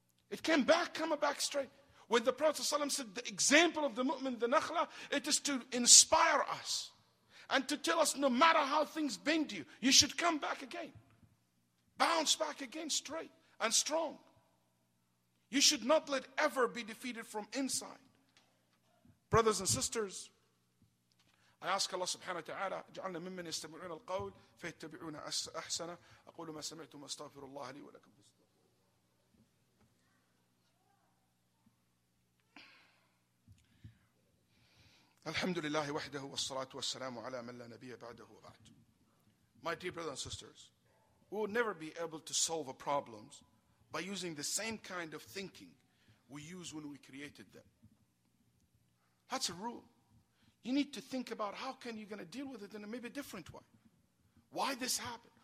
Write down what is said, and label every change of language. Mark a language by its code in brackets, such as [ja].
[en] It came back, come back straight. When the Prophet ﷺ said, the example of the mu'min, the nakhla, it is to inspire us and to tell us, no matter how things bend you, you should come back again. Bounce back again straight and strong. You should not let ever be defeated from inside. Brothers and sisters, I ask Allah subhanahu wa ta'ala, [ar] اجعلنا ممن يستمعون القول فيتبعون أحسن أقول ما سمعتم أستغفر الله لي ولكم. الحمد لله وحده والصلاة والسلام على من لا نبي بعده وبعد. [en] My dear brothers and sisters, we will never be able to solve our problems by using the same kind of thinking we use when we created them. That's a rule. You need to think about how can you going to deal with it in a maybe different way. Why this happened?